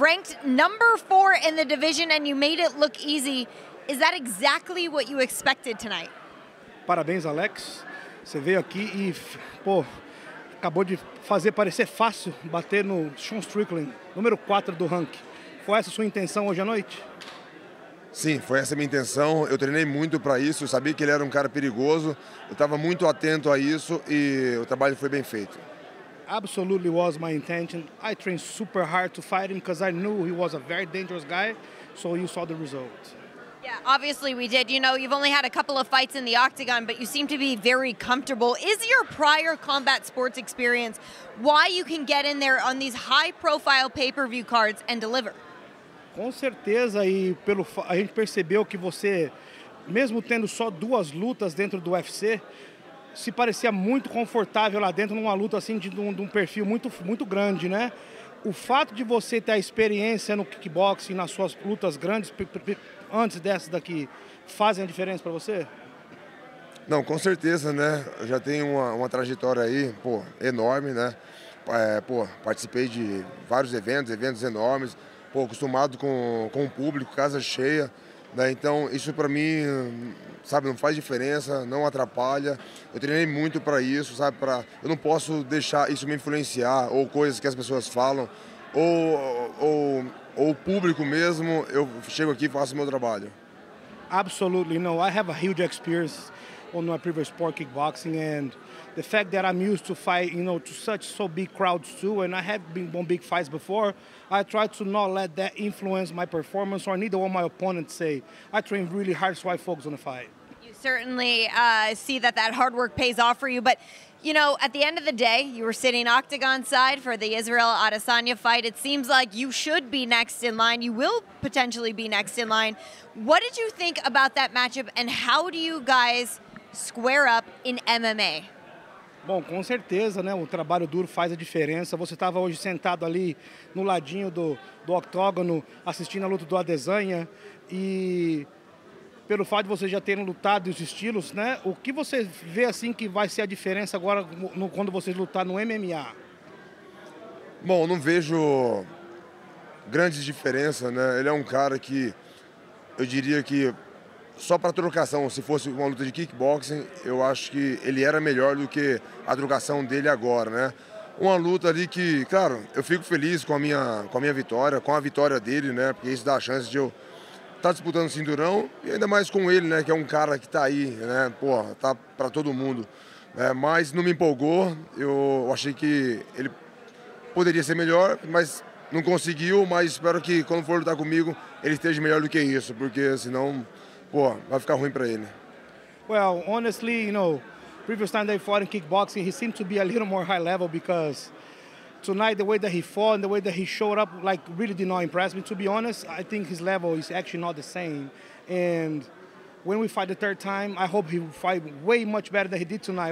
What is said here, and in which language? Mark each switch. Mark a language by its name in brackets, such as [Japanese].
[English] Ranked number 4 in the division, and you made it look easy. Is that exactly what you expected tonight? [Portuguese] Parabéns, Alex. Você veio aqui e, pô, acabou de fazer parecer fácil bater no Sean Strickland, número 4 do ranking. Foi essa a sua intenção hoje à noite? Sim, foi essa a minha intenção. Eu treinei muito para isso. Eu sabia que ele era um cara perigoso. Eu estava muito atento a isso e o trabalho foi bem feito. [English] Absolutely was my intention. I trained super hard to fight him because I knew he was a very dangerous guy. So you saw the result. Yeah, obviously we did. You know, you've only had a couple of fights in the octagon, but you seem to be very comfortable. Is your prior combat sports experience why you can get in there on these high-profile pay-per-view cards and deliver? [Portuguese] Com certeza, e pelo a gente percebeu que você, mesmo tendo só 2 lutas dentro do UFC, se parecia muito confortável lá dentro numa luta assim de um perfil muito, muito grande, né? O fato de você ter a experiência no kickboxing, nas suas lutas grandes, antes dessas daqui, fazem a diferença para você? Não, com certeza, né? Eu já tenho uma trajetória aí, pô, enorme, né? Pô, participei de vários eventos enormes, pô, acostumado com o público, casa cheia, né? Então, isso para mim, sabe, não faz diferença, não atrapalha. Eu treinei muito para isso, sabe? Eu não posso deixar isso me influenciar, ou coisas que as pessoas falam, ou o público mesmo, eu chego aqui e faço o meu trabalho. [English] Absolutely, no. I have a huge experience on my previous sport, kickboxing, and the fact that I'm used to fight, you know, to such so big crowds too, and I have been on big fights before, I try to not let that influence my performance or neither what my opponents say. I train really hard, so I focus on the fight. You certainly see that hard work pays off for you, but, you know, at the end of the day, you were sitting octagon side for the Israel Adesanya fight. It seems like you should be next in line. You will potentially be next in line. What did you think about that matchup, and how do you guys square up in MMA? [Portuguese] Bom, com certeza, né? O trabalho duro faz a diferença. Você estava hoje sentado ali no ladinho do octógono assistindo a luta do Adesanya e pelo fato de você já terem lutado os estilos, né? O que você vê assim que vai ser a diferença agora quando vocês lutar no MMA? Bom, não vejo grandes diferenças, né? Ele é um cara que eu diria que só para trocação, se fosse uma luta de kickboxing, eu acho que ele era melhor do que a trocação dele agora, né? Uma luta ali que, claro, eu fico feliz com a minha vitória, com a vitória dele, né? Porque isso dá a chance de eu estar disputando o cinturão, e ainda mais com ele, né? Que é um cara que tá aí, né? Porra, tá para todo mundo. Né? Mas não me empolgou, eu achei que ele poderia ser melhor, mas não conseguiu, mas espero que quando for lutar comigo, ele esteja melhor do que isso, porque senão, pô, vai ficar ruim para ele. [English] Well, honestly, you know, previous time they fought in kickboxing, he seemed to be a little more high level because tonight the way that he fought and the way that he showed up, like, really did not impress me. To be honest, I think his level is actually not the same. And when we fight the third time, I hope he will fight way much better than he did tonight.